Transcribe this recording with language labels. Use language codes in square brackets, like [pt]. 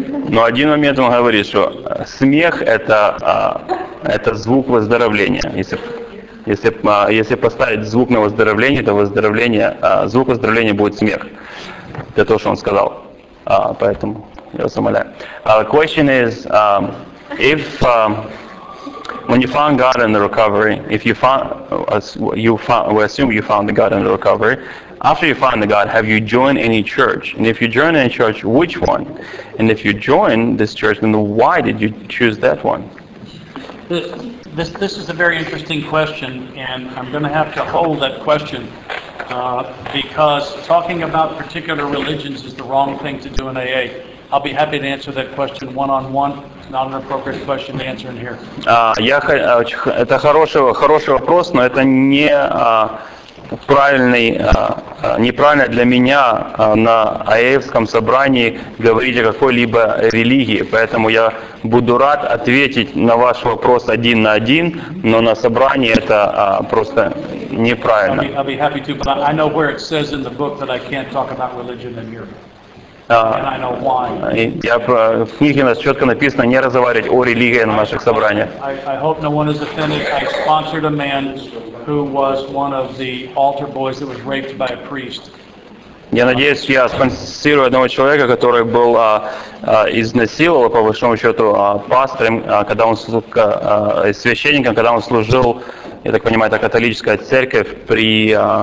[ru] Но один момент он говорит, что смех – это звук выздоровления. Если поставить звук на выздоровление, то выздоровление, звук выздоровления будет смех. Это то, что он сказал. Поэтому я вас умоляю. [en] Question is, if when you found God in the recovery, if you found, we assume you found the God in the recovery, after you found the God, have you joined any church? And if you joined any church, which one? And if you joined this church, then why did you choose that one? This is a very interesting question, and I'm going to have to hold that question because talking about particular religions is the wrong thing to do in AA. I'll be happy to answer that question one-on-one. Not an appropriate question to answer in here. [ru] Это хороший вопрос, но это не неправильно для меня на АЭФском собрании говорить о какой-либо религии, поэтому я буду рад ответить на ваш вопрос один на один, но на собрании это просто неправильно. [en] I'll be happy to, but I know where it says in the book that I can't talk about religion in here. [ru] В книге у нас четко написано не разговаривать о религии на наших собраниях. [en] I hope no one is offended. I sponsored a man who was one of the altar boys that was raped by a priest. [ru] Я надеюсь, я спонсирую одного человека, который был изнасиловал, по большому счету, пастором, когда он священником, когда он служил, я так понимаю, это католическая церковь при...